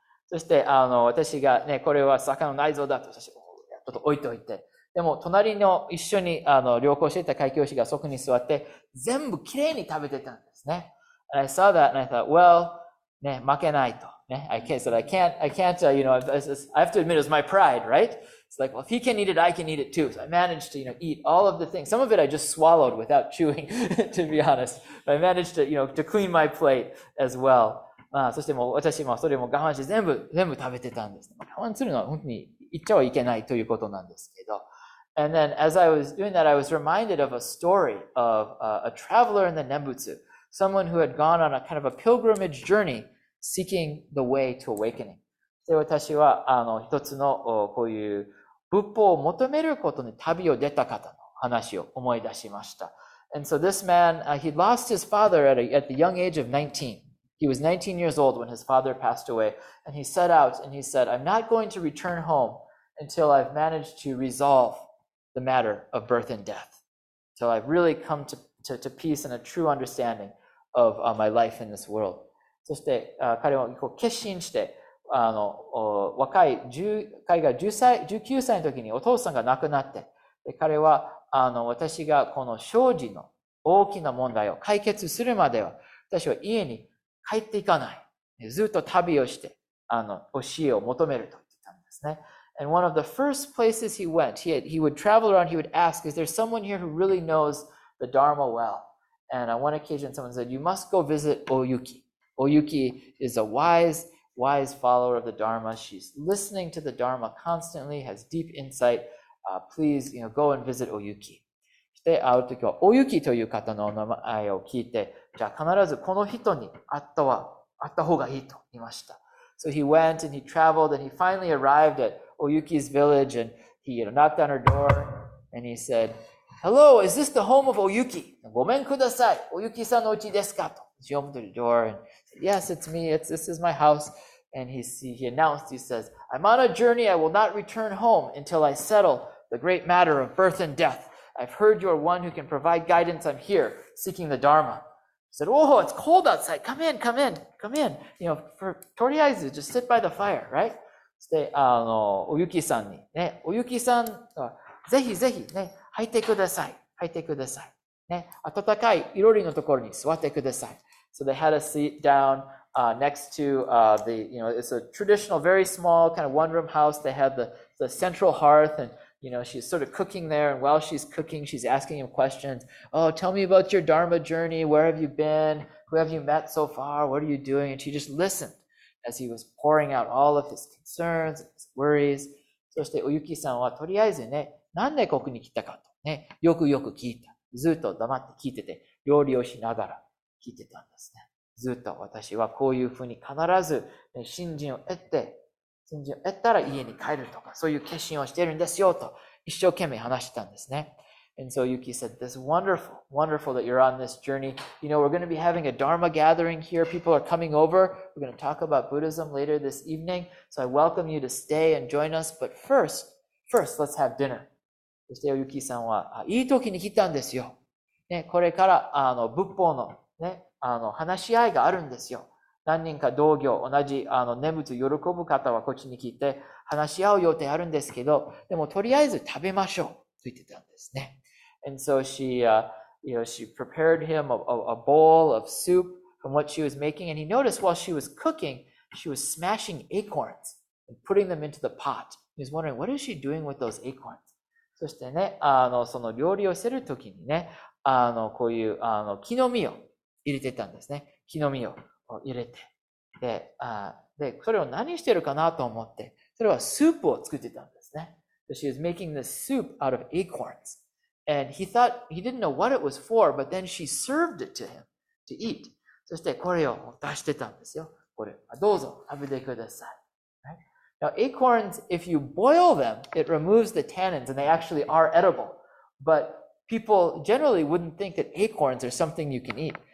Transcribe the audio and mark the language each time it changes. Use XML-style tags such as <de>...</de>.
<ja>そして、あの、私がね、これは魚の内臓だと、私、ちょっと置いておいて。でも、隣の一緒に、あの、旅行していた会計士がそこに座って、全部きれいに食べてたんですね。</ja> <en>And I saw that and I thought, well, ね、</en> <ja>負けないと。</ja> <en>ね、I can't, you know, I have to admit it was my pride, right? It's like, well, if he can eat it, I can eat it too. So I managed to, you know, eat all of the things. Some of it I just swallowed without chewing, to be honest. But I managed to, you know, to clean my plate as well.</en> <ja>まあ、そしてもう私もそれも我慢して全部食べてたんです。我慢するのは本当に言っちゃいけないということなんですけど。</ja> <en>And then as I was doing that, I was reminded of a story of, a traveler in the Nembutsu. Someone who had gone on a kind of a pilgrimage journey seeking the way to awakening.</en> <ja>で、私は、あの、一つの、こういう、仏法を求めることに旅を出た方の話を思い出しました。</ja> <en>And so this man, he lost his father at the young age of 19. He was 19 years old when his father passed away. And he set out and he said, I'm not going to return home until I've managed to resolve the matter of birth and death. Until I've really come to peace and a true understanding of, my life in this world.</en> <ja>そして、彼はこう決心して、あの、若い彼が19歳の時にお父さんが亡くなって、で彼は、あの、私がこの生死の大きな問題を解決するまでは、私は家に帰っていかない。ずっと旅をして、教えを求めると言ってたんですね。</ja> <en>And one of the first places he went, he would travel around, he would ask, is there someone here who really knows the Dharma well? And on one occasion, someone said, you must go visit Oyuki. Oyuki is a wise, wise follower of the Dharma. She's listening to the Dharma constantly, has deep insight. Please, you know, go and visit Oyuki.</en> <ja>そして会うときは、Oyuki という方の名前を聞いて、じゃあ必ずこの人に会った方がいいと言いました。</ja> <en>So he went and he traveled and he finally arrived at Oyuki's village and he knocked on her door and he said, Hello, is this the home of Oyuki?</en> <ja>ごめんください。Oyuki さんのお家ですかと。</ja> <en>She opened the door and said, Yes, it's me. This is my house. And he announced, he says, I'm on a journey. I will not return home until I settle the great matter of birth and death. I've heard you're one who can provide guidance. I'm here seeking the Dharma. He said, Oh, it's cold outside. Come in, come in, come in. You know, for toriaizu, just sit by the fire, right?</en> <ja>で、Oyuki さんにね、Oyuki さん、ぜひぜひね、入ってください。入ってください。ね、暖かい囲炉裏のところに座ってください。</ja> <en>So they had a seat down, next to, the, you know, it's a traditional, very small, kind of one room house. They had the central hearth, and, you know, she's sort of cooking there, and while she's cooking, she's asking him questions. Oh, tell me about your Dharma journey. Where have you been? Who have you met so far? What are you doing? And she just listened. As he was pouring out all of his concerns, his worries.</en> <ja>そして、おゆきさんはとりあえずね、なんでここに来たかとね、よくよく聞いた。ずっと黙って聞いてて、料理をしながら聞いてたんですね。ずっと私はこういうふうに必ず、ね、信心を得たら家に帰るとか、そういう決心をしているんですよと、一生懸命話したんですね。</ja> <en>And so Yuki said, this is wonderful, wonderful that you're on this journey. You know, we're going to be having a Dharma gathering here. People are coming over. We're going to talk about Buddhism later this evening. So I welcome you to stay and join us. But first, let's have dinner.</en> <ja>そして Yuki-san は、いい時に来たんですよ。ね、これから、仏法の、ね、話し合いがあるんですよ。何人か同業、同じ、念仏を喜ぶ方はこっちに来て話し合う予定あるんですけど、でもとりあえず食べましょう。と言ってたんですね。</ja> <en>And so she, she prepared him a bowl of soup from what she was making. And he noticed while she was cooking, she was smashing acorns and putting them into the pot. He was wondering, what is she doing with those acorns?</en> <ja>そしてね、その料理をするときにね、こういう、木の実を入れてたんですね。木の実を入れて。で、で、それを何してるかなと思って、それはスープを作ってたんですね。</ja> <en>So she was making this soup out of acorns. And he thought, he didn't know what it was for, but then she served it to him to eat.</en> <ja>そしてこれを出してたんですよ。これ、どうぞ食べてください。</ja> <en>Right? Now, acorns, if you boil them, it removes the tannins, and they actually are edible. But people generally wouldn't think that acorns are something you can eat.</en>